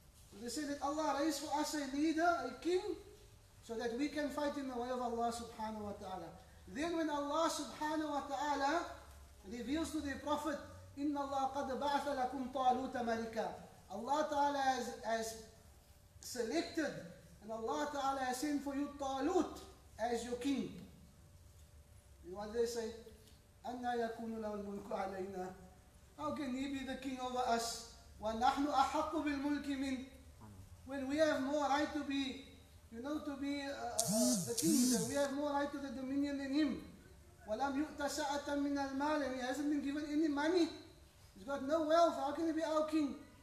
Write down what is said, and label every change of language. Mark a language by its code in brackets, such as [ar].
[en] So they said that Allah raise for us a leader, a king, so that we can fight in the way of Allah subhanahu wa ta'ala. Then when Allah subhanahu wa ta'ala reveals to the Prophet, [ar] إِنَّ اللَّهَ قَدْ بَعْثَ لَكُمْ طَالُوتَ مَلِكًا. [en] Allah Ta'ala has selected and Allah Ta'ala has sent for you Talut as your king. And what they say, [ar] أَنَّا يَكُونُ لَهُ الْمُلْكُ عَلَيْنَا. [en] How can he be the king over us? [ar] وَنَحْنُ أَحَقُّ بِالْمُلْكِ مِنْ. [en] When we have more right to be, you know, to be the king, we have more right to the dominion than him. [ar] وَلَمْ يُؤْتَ سَعَةً مِنَ الْمَالِ. [en] He hasn't been given any money. He's got no wealth. How can he be our king?